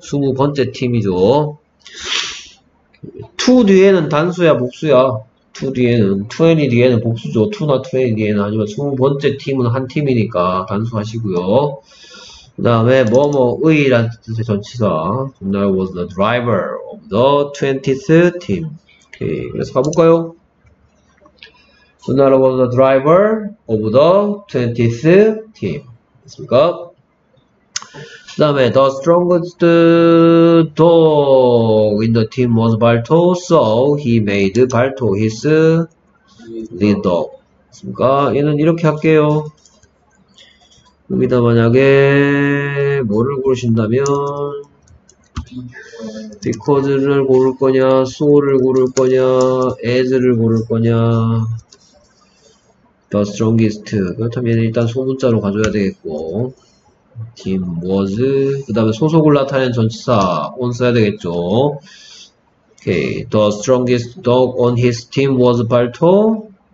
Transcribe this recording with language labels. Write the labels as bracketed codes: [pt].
[ko] 20번째 팀이죠. 2 뒤에는 단수야, 복수야? 2 뒤에는, 20 뒤에는 복수죠. 2나 20 뒤에는. 하지만 20번째 팀은 한 팀이니까 단수하시고요. 그 다음에 뭐뭐의 라는 뜻의 전치사. [en] Gunnar was the driver of the 20th team. [ko] 오케이. 그래서 가볼까요? [en] Gunnar was the driver of the 20th team. [ko] 됐습니까? [en] 그 다음에 the strongest dog in the team was Balto, so he made Balto his lead dog. [ko] 그러니까 얘는 이렇게 할게요. 여기다 만약에 뭐를 고르신다면 because를 고를 거냐, so를 고를 거냐, as를 고를 거냐, the strongest. 그렇다면 얘는 일단 소문자로 가져야 되겠고 팀 was 그 다음에 소속을 나타낸 전치사 on 써야 되겠죠. [en] Okay. The strongest dog on his team was Balto.